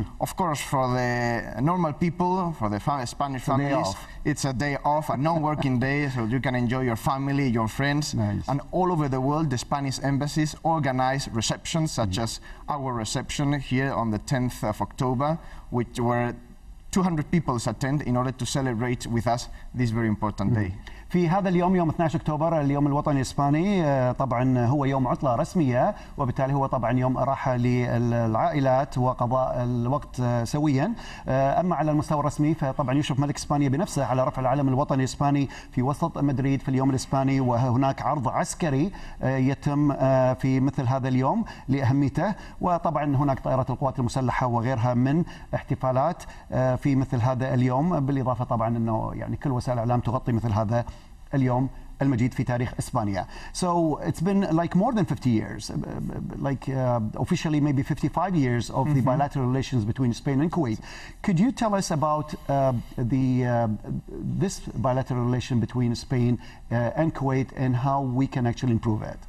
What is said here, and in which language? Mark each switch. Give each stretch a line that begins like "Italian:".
English: Of course, for the normal people, for the Spanish families, it's a day off, a non-working day, so you can enjoy your family, your friends. Nice. And all over the world, the Spanish embassies organize receptions, such as our reception here on the 10th of October, which were 200 people attend in order to celebrate with us this very important day.
Arabic: في هذا اليوم، يوم 12 اكتوبر، اليوم الوطني الاسباني، طبعا هو يوم عطله رسميه، وبالتالي هو طبعا يوم راحه للعائلات وقضاء الوقت سويا. اما على المستوى الرسمي فطبعا يشرف ملك اسبانيا بنفسه على رفع العلم الوطني الاسباني في وسط مدريد في اليوم الاسباني، وهناك عرض عسكري يتم في مثل هذا اليوم لاهميته، وطبعا هناك طائرات القوات المسلحه وغيرها من احتفالات في مثل هذا اليوم، بالاضافه طبعا انه يعني كل وسائل الاعلام تغطي مثل هذا اليوم المجيد في تاريخ إسبانيا.
English: So it's been like more than 50 years, like officially maybe 55 years of the bilateral relations between Spain and Kuwait. Could you tell us about this bilateral relation between Spain and Kuwait and how we can actually improve it?